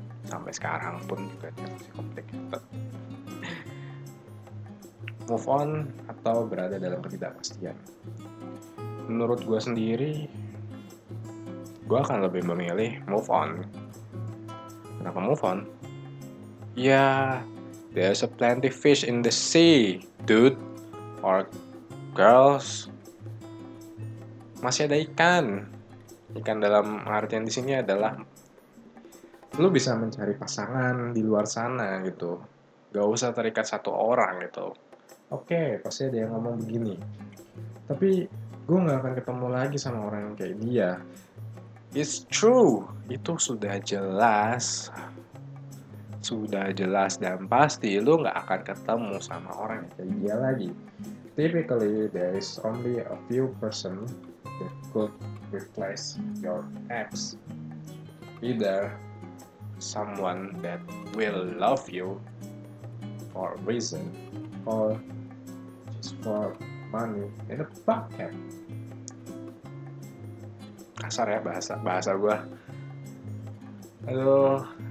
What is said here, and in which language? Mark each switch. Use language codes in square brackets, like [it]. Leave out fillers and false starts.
[id] Sampai sekarang pun juga masih complicated. Move on atau berada dalam ketidakpastian. Menurut gue sendiri, gue akan lebih memilih move on. Kenapa move on? [en] Ya, yeah, there's a plenty fish in the sea, dude or girls. [id] Masih ada ikan. Ikan dalam artian di sini adalah lu bisa mencari pasangan di luar sana gitu. Gak usah terikat satu orang gitu. Okay, pasti ada yang ngomong begini. Tapi gue gak akan ketemu lagi sama orang yang kayak dia. [en] It's true. [id] Itu sudah jelas. Sudah jelas dan pasti lu gak akan ketemu sama orang yang kayak dia lagi. [en] Typically, there is only a few person that could replace your ex. Either someone that will love you for a reason, or just for money in a pocket. [id] kasar ya bahasa bahasa gue. Aduh.